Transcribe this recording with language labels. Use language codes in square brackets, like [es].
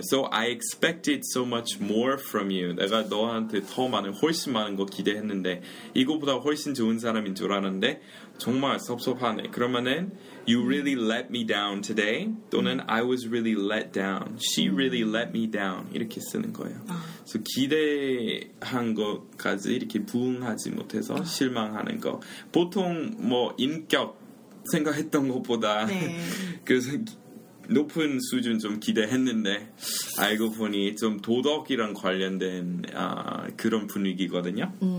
[en] So I expected so much more from you. [ko] 내가 너한테 더 많은, 훨씬 많은 거 기대했는데 이거보다 훨씬 좋은 사람인 줄 알았는데 정말 섭섭하네. [en] 그러면은 you really let me down today 또는 I was really let down. She really let me down. [ko] 이렇게 쓰는 거예요. 그래서 기대한 것까지 이렇게 부응하지 못해서 실망하는 거. 보통 뭐 인격 생각했던 것보다 네. 그래서 높은 수준 좀 기대했는데 알고 보니 좀 도덕이랑 관련된 그런 분위기거든요.